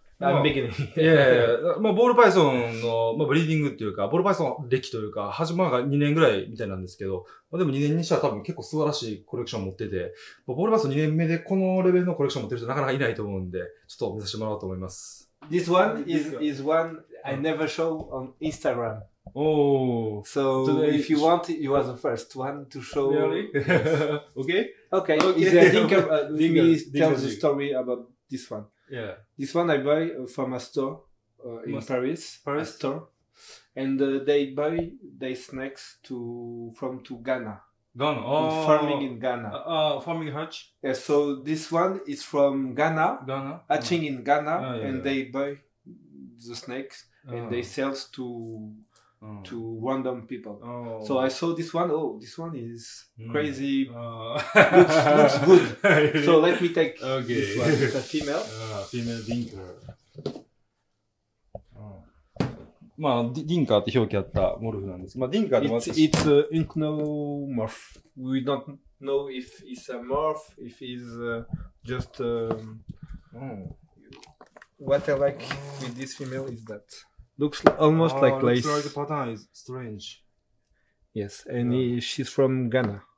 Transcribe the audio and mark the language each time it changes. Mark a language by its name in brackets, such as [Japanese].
[English] Beginning. [Japanese] ボールパイソンの、ブリーディングっていうか、ボールパイソン歴というか、始まるが2年ぐらいみたいなんですけど、でも2年にしたら多分結構素晴らしいコレクション持ってて、ボールパイソン2年目でこのレベルのコレクション持ってる人なかなかいないと思うんで、ちょっと見させてもらおうと思います。 [English] This one is one I never show on Instagram. Oh. So if you want, you are the first one to show. Really? Okay. Okay. Is there a link? Let me tell the story about this one. Yeah. This one I buy from a store in Paris. A store. And they buy their snacks from Ghana. Ghana? Oh. Farming in Ghana. Farming hatch? Yeah, so this one is from Ghana. Ghana. Hatching in Ghana. And they buy the snakes and they sell to random people. Oh. So I saw this one, oh, this one is crazy, looks good. So let me take this one. It's a female. Female dinker. [Japanese] まあ、ディンカーって表記あったモルフなんです。まあ、ディンカーって [English] It's a ethnomorph. We don't know if it's a morph, if it's just... What I like with this female is that. Looks almost like lace. Looks like the pattern is strange. Yes, and she's from Ghana.